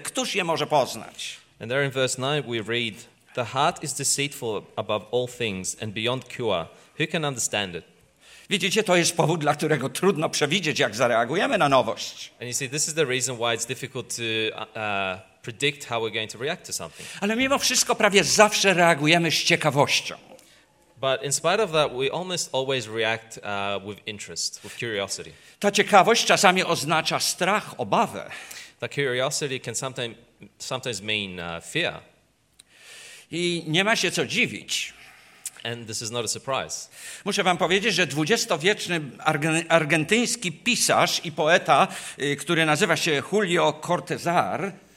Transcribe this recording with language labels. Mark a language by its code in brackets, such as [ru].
[pl] Któż je może poznać? [en] And there in verse 9 we read, the heart is deceitful above all things and beyond cure. Who can understand it? [pl] Widzicie, to jest powód, dla którego trudno przewidzieć, jak zareagujemy na nowość. [en] And you see, this is the reason why it's difficult to predict how we're going to react to something. [pl] Ale mimo wszystko prawie zawsze reagujemy z ciekawością. [en] But in spite of that, we almost always react with interest, with curiosity. [pl] Ta ciekawość czasami oznacza strach, obawę. [en] That curiosity can sometimes mean fear. [pl] I nie ma się co dziwić. [en] And this is not a surprise. [pl] Muszę wam powiedzieć, że 20-wieczny argentyński pisarz i poeta, który nazywa się Julio Cortazar.